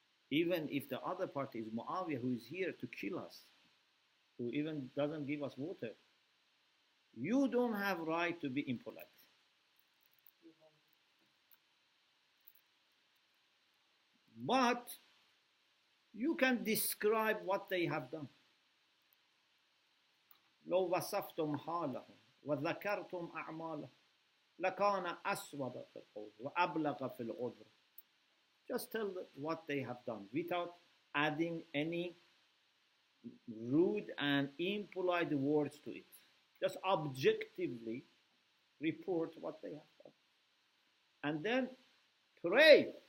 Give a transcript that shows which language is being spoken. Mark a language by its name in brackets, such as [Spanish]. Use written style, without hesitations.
[English] Even if the other party is Muawiyah, who is here to kill us, who even doesn't give us water, you don't have right to be impolite. But you can describe what they have done. [Arabic] لو وصفتم حالهم وذكرتم أعمالهم لكان أسود في القول وأبلغ في العذر. [English] Just tell what they have done without adding any rude and impolite words to it. Just objectively report what they have done, and then pray.